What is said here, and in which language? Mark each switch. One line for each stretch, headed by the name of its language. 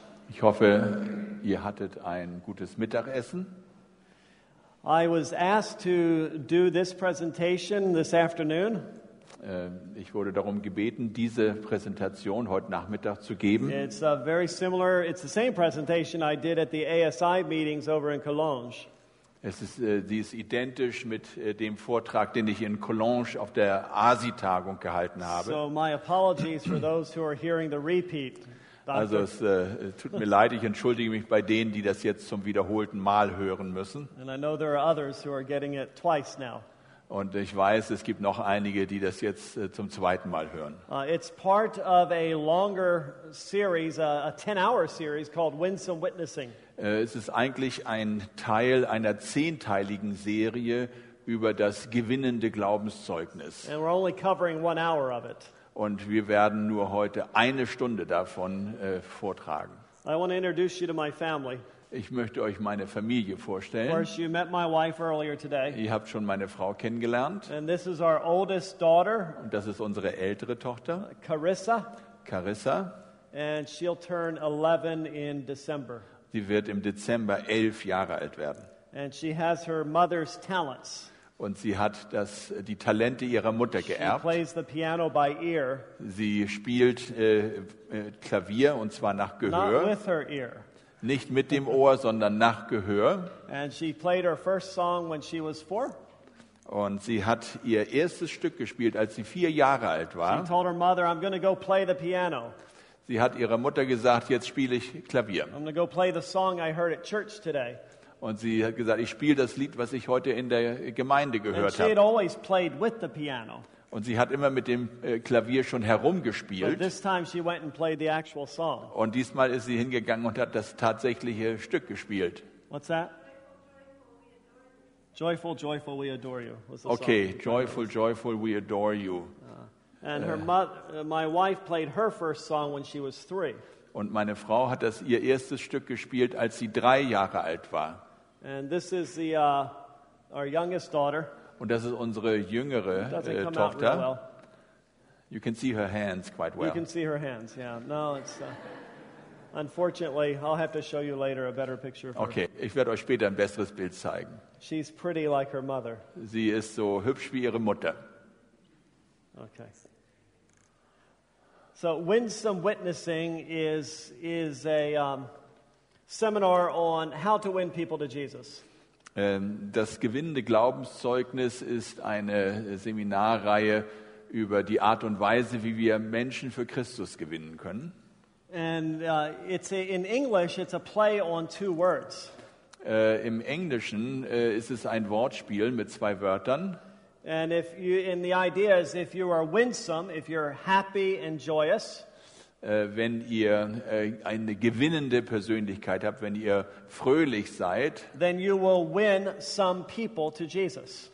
German: Ich hoffe, ihr hattet ein gutes Mittagessen.
English: I was asked to do this presentation this afternoon.
German: Ich wurde darum gebeten, diese Präsentation heute Nachmittag zu geben.
English: It's a very similar, it's the same presentation I did at the ASI meetings over in Cologne.
German: Sie ist identisch mit dem Vortrag, den ich in Cologne auf der ASI-Tagung gehalten habe.
English: So my apologies for those who are hearing the repeat.
German: Also es tut mir leid, ich entschuldige mich bei denen, die das jetzt zum wiederholten Mal hören müssen.
English: And I know there are others who are getting it twice now.
German: Und ich weiß, es gibt noch einige, die das jetzt zum zweiten Mal hören.
English: It's part of a longer series, a 10-hour series called Winsome Witnessing.
German: Es ist eigentlich ein Teil einer 10-teiligen Serie über das gewinnende Glaubenszeugnis.
English: And we're only covering 1 hour of it.
German: Und wir werden nur heute 1 Stunde davon vortragen.
English: I want to introduce you to my family.
German: Ich möchte euch meine Familie vorstellen.
English: Of course, you met my wife earlier today.
German: Ihr habt schon meine Frau kennengelernt.
English: And this is our oldest daughter.
German: Und das ist unsere ältere Tochter.
English: Carissa.
German: Carissa.
English: And she'll turn 11 in December.
German: Sie wird im Dezember 11 Jahre alt werden.
English: And she has her mother's talents.
German: Und sie hat die Talente ihrer Mutter geerbt.
English: She plays the piano by ear.
German: Sie spielt Klavier, und zwar nach Gehör.
English: Not with her ear.
German: Nicht mit dem Ohr, sondern nach Gehör.
English: And she played her first song when she was 4.
German: Und sie hat ihr erstes Stück gespielt, als sie 4 Jahre alt war.
English: She told her mother, I'm going to go play the piano.
German: Sie hat ihrer Mutter gesagt, jetzt spiele ich Klavier.
English: I'm going to go play the song I heard at church today.
German: Und sie hat gesagt, ich spiele das Lied, was ich heute in der Gemeinde gehört habe.
English: She had always played with the piano.
German: Und sie hat immer mit dem Klavier schon herumgespielt.
English: But this time she went and played the actual song.
German: Und diesmal ist sie hingegangen und hat das tatsächliche Stück gespielt.
English: What's that? Joyful, joyful, we adore you. Okay, joyful, joyful, we adore you. And her my wife played her first song when she was 3.
German: Und meine Frau hat das ihr erstes Stück gespielt, als sie 3 Jahre alt war.
English: And this is the our youngest daughter.
German: Und das ist unsere jüngere Tochter.
English: You can see her hands quite well. You can see her hands, yeah. No, it's unfortunately, I'll have to show you later a better picture of her.
German: Okay, ich werde euch später ein besseres Bild zeigen.
English: She's pretty like her mother.
German: Sie ist so hübsch wie ihre Mutter.
English: Okay. So, Winsome Witnessing is a seminar on how to win people to Jesus.
German: Das gewinnende Glaubenszeugnis ist eine Seminarreihe über die Art und Weise, wie wir Menschen für Christus gewinnen können.
English: And in English it's a play on 2 words.
German: Im Englischen ist es ein Wortspiel mit 2 Wörtern.
English: And if you in the idea is if you are winsome, if you're happy and joyous,
German: wenn ihr eine gewinnende Persönlichkeit habt, wenn ihr fröhlich seid,
English: then you will win some people to Jesus.